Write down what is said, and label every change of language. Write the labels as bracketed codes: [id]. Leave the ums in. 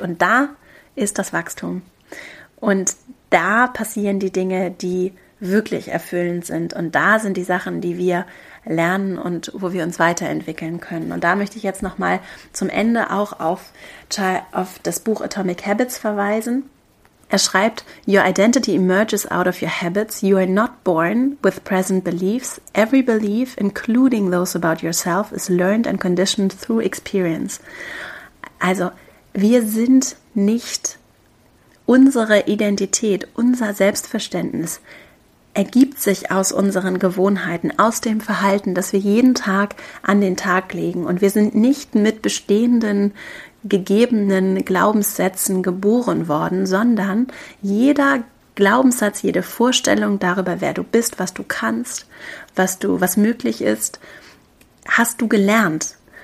[de] Und da ist das Wachstum. Und da passieren die Dinge, die wirklich erfüllend sind. Und da sind die Sachen, die wir lernen und wo wir uns weiterentwickeln können. Und da möchte ich jetzt nochmal zum Ende auch auf, auf, das Buch Atomic Habits verweisen. Er schreibt, [en] Your identity emerges out of your habits. You are not born with present beliefs. Every belief, including those about yourself, is learned and conditioned through experience. [de] Also, wir sind nicht unsere Identität, unser Selbstverständnis ergibt sich aus unseren Gewohnheiten, aus dem Verhalten, das wir jeden Tag an den Tag legen. Und wir sind nicht mit bestehenden, gegebenen Glaubenssätzen geboren worden, sondern jeder Glaubenssatz, jede Vorstellung darüber, wer du bist, was du kannst, was du, was möglich ist, hast du gelernt.